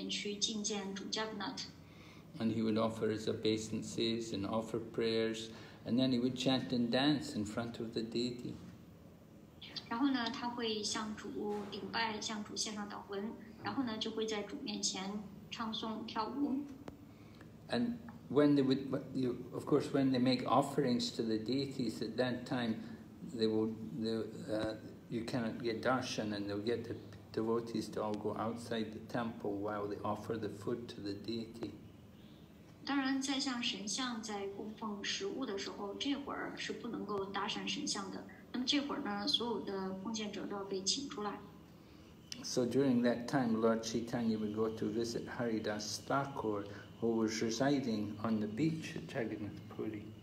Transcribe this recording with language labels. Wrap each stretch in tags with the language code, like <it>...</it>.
<zh>在一天之始呢，主查坦尼亚马布会先要去到庙里面去觐见主加格纳特。</zh> <en>And he would offer his obeisances and offer prayers, and then he would chant and dance in front of the deity.</en> <zh>然后呢，他会向主顶拜，向主献上祷文，然后呢，就会在主面前唱诵跳舞。</zh> <en>And when they would, of course, when they make offerings to the deities at that time, you cannot get darshan, and they'll get the devotees to all go outside the temple while they offer the food to the deity.</en> <zh>当然，在向神像在供奉食物的时候，这会儿是不能够搭讪神像的。</zh> <en>So during that time, Lord Chaitanya would go to visit Haridas Thakur, who was residing on the beach at Jagannath Puri.</en>